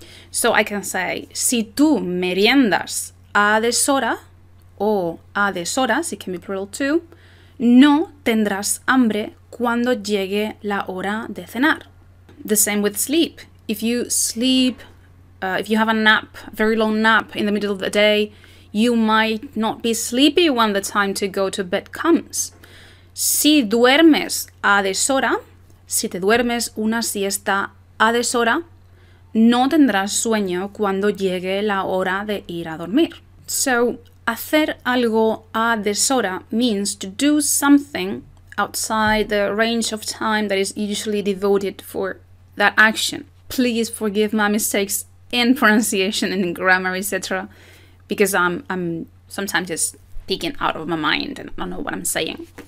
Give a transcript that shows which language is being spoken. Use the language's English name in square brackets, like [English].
[English] So I can say, [Spanish] si tú meriendas a deshora, o a deshoras, [English] it can be plural too, [Spanish] no tendrás hambre cuando llegue la hora de cenar. [English] The same with sleep. If you sleep, if you have a nap, a very long nap in the middle of the day, you might not be sleepy when the time to go to bed comes. [Spanish] Si duermes a deshora, si te duermes una siesta a deshora, no tendrás sueño cuando llegue la hora de ir a dormir. [English] So, [Spanish] hacer algo a deshora [English] means to do something outside the range of time that is usually devoted for that action. Please forgive my mistakes in pronunciation and in grammar, etc. Because I'm sometimes just speaking out of my mind and I don't know what I'm saying.